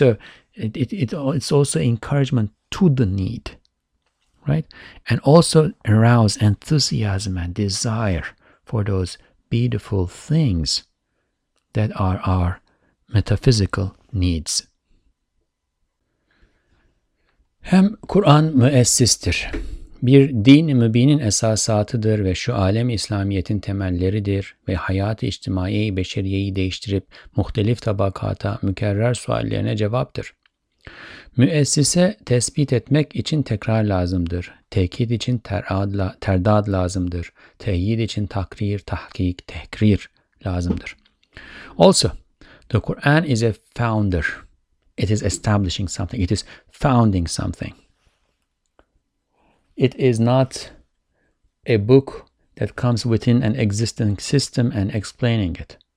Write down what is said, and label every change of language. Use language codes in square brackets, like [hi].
[en] So it's also encouragement to the need, right? And also arouse enthusiasm and desire for those beautiful things that are our metaphysical needs. [tr] Hem Kur'an müessistir. Bir din-i mübinin esasatıdır ve şu alem İslamiyet'in temelleridir ve hayat-ı içtimaiye-i beşeriyeyi değiştirip muhtelif tabakata mükerrer suallerine cevaptır. Müessise tespit etmek için tekrar lazımdır. Tekit için terdad lazımdır. Teyit için takrir, tahkik, tehkrir lazımdır. [en] Also, the Quran is a founder. It is establishing something. It is founding something. It is not a book that comes within an existing system and explaining it.